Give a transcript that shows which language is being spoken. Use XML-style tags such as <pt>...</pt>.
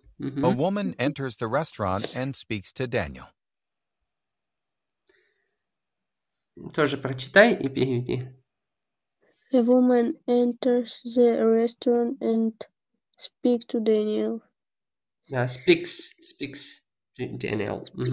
<en>A woman enters the restaurant and speaks to Daniel.</en> <ru>Тоже прочитай и переведи.</ru> <en>A woman enters the restaurant and speaks to Daniel. Да, speaks to Daniel.</en>